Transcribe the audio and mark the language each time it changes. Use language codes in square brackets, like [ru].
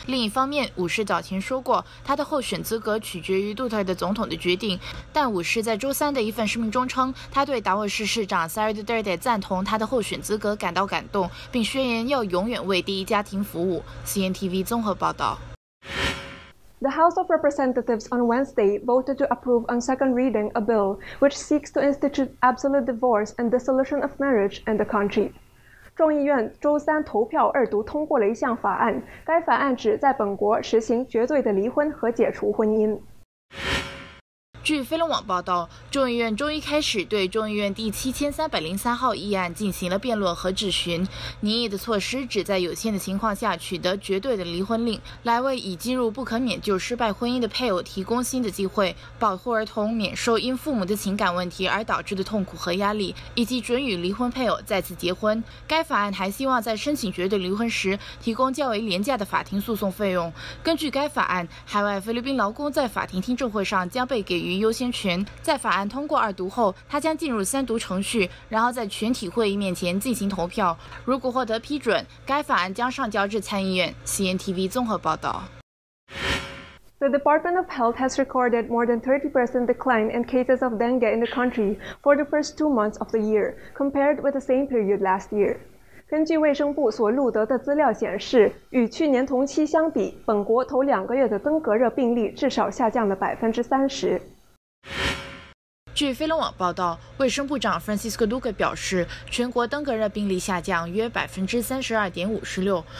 [zh] 另一方面，武士早前说过他的候选资格取决于杜特尔特总统的决定，但武士在周三的一份声明中称，他对达沃市市长 Cyril Duterte 赞同他的候选资格感到感动，并宣言要永远为第一家庭服务。 CNTV 综合报道。 [en] The House of Representatives on Wednesday voted to approve on second reading a bill which seeks to institute absolute divorce and dissolution of marriage in the country. [zh] 众议院周三投票二读通过了一项法案，该法案旨在本国实行绝对的离婚和解除婚姻。据飞龙网报道，众议院终于开始对众议院第7303号议案进行了辩论和质询。拟议的措施旨在有限的情况下取得绝对的离婚令，来为已进入不可免就失败婚姻的配偶提供新的机会，保护儿童免受因父母的情感问题而导致的痛苦和压力，以及准与离婚配偶再次结婚。该法案还希望在申请绝对离婚时提供较为廉价的法庭诉讼费用。根据该法案，海外菲律宾劳工在法庭听证会上将被给予优先权，在法案通过二读后，他将进入三读程序，然后在全体会议面前进行投票。如果获得批准，该法案将上交至参议院。 CNTV 综合报道。 [en] The Department of Health has recorded more than 30% decline in cases of dengue in the country for the first 2 months of the year, compared with the same period last year. [zh] 根据卫生部所录得的资料显示，与去年同期相比，本国头两个月的登革热病例至少下降了30%。据飞龙网报道，卫生部长 Francisco Duque 表示，全国登革热病例下降约32.56%。